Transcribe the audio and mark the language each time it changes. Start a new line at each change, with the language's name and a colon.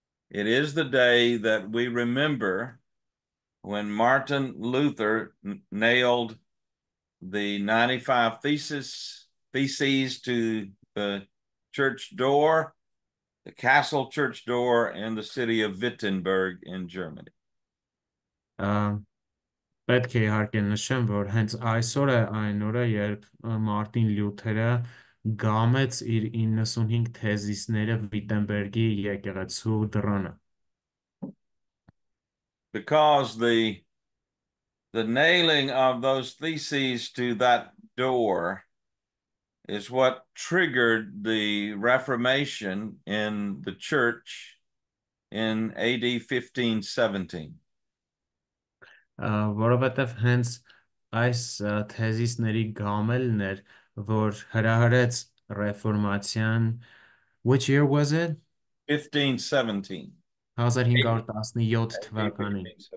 English: It is the day that we remember when Martin Luther nailed the 95 theses to the church door, the castle church door in the city of Wittenberg in Germany.
Armenian: Պետք է իհարկե նշեմ, որ հենց այսօր է այն օրը, երբ Մարտին Լյութերը գամեց իր 95 թեզիսները Վիտենբերգի եկեղեցու դռանը.
English: Because the nailing of those theses to that door is what triggered the Reformation in the church in AD 1517.
Armenian: Որովհետև հենց այս թեզիսների գամելն էր, որ հրահրեց ռեֆորմացիան.
English: Which year was it? 1517
Armenian: թվականին.